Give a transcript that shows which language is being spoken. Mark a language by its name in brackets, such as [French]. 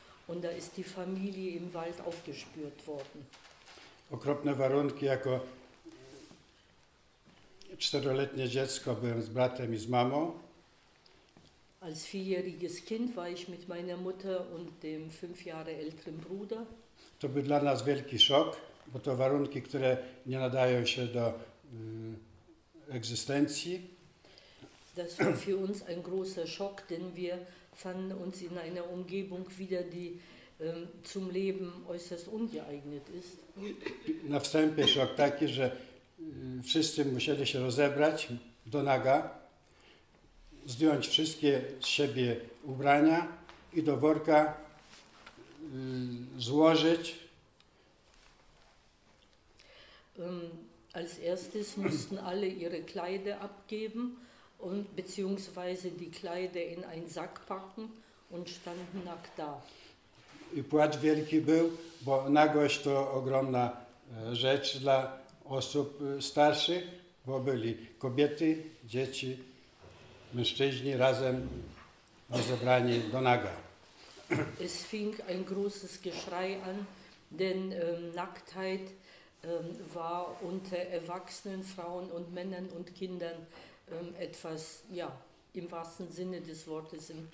[German] Und da ist die Familie im Wald aufgespürt worden. [Polish] Okropne warunki, jako 4-letnie dziecko byłem z bratem i z mamą. [German] Als vierjähriges Kind war ich mit meiner Mutter und dem 5 Jahre älteren Bruder. [Polish] To był dla nas wielki szok, bo to warunki, które nie nadają się do egzystencji. [German] Das war für uns ein großer Schock, denn wir fanden uns in einer Umgebung wieder, die zum Leben äußerst ungeeignet ist. [Polish] Na wstępie szok taki, że wszyscy musieli się rozebrać do naga, zdjąć wszystkie z siebie ubrania i do worka złożyć. [German] Als erstes mussten alle ihre Kleider abgeben und beziehungsweise die Kleider in einen Sack packen und standen nackt da. [Polish] I płacz wielki był, bo nagość to ogromna rzecz dla osób starszych, bo byli kobiety, dzieci, mężczyźni razem rozebrani do naga. [German] Es fing ein großes Geschrei an, denn Nacktheit war unter erwachsenen Frauen und Männern und Kindern etwas, ja, im wahrsten Sinne des Wortes.